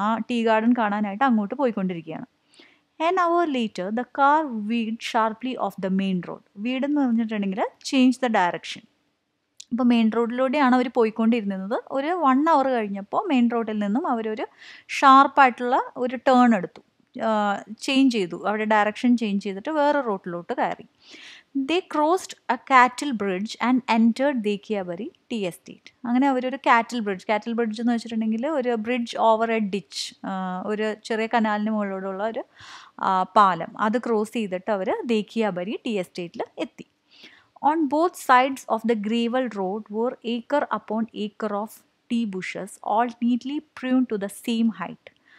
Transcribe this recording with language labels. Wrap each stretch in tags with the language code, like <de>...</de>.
<ml>ആ tea garden കാണാനായിട്ട് അങ്ങോട്ട് പോയിക്കൊണ്ടിരിക്കുകയാണ്.</ml> <en>N our later the car weed sharply of the main road.</en> <ml>Weed എന്ന് പറഞ്ഞിട്ടുണ്ടെങ്കിൽ</ml> <en>Change the direction.</en> <ml>ഇപ്പോൾ മെയിൻ റോഡിലൂടെയാണ് അവർ പോയിക്കൊണ്ടിരുന്നത്. ഒരു 1 hour കഴിഞ്ഞപ്പോൾ മെയിൻ റോഡിൽ നിന്നും അവരൊരു ഷാർപ്പായിട്ടുള്ള ഒരു ടേൺ എടുത്തു, ചേഞ്ച് ചെയ്തു, അവരുടെ ഡയറക്ഷൻ ചേഞ്ച് ചെയ്തിട്ട് വേറെ റോഡിലോട്ട് കയറി.</ml> <en>They crossed a cattle bridge and entered Dekiyabari Tea Estate.</en> <ml>അങ്ങനെ അവരൊരു കാറ്റിൽ ബ്രിഡ്ജ് എന്ന് വെച്ചിട്ടുണ്ടെങ്കിൽ ഒരു</ml> <en>bridge over a ditch,</en> <ml>ഒരു ചെറിയ കനാലിന് മുകളിലൂടെയുള്ള ഒരു പാലം, അത് ക്രോസ് ചെയ്തിട്ട് അവർ ദേഖിയാബരി ടീ എസ്റ്റേറ്റിൽ എത്തി.</ml> <en>On both sides of the gravel road were acre upon acre of tea bushes all neatly prune to the same height.</en>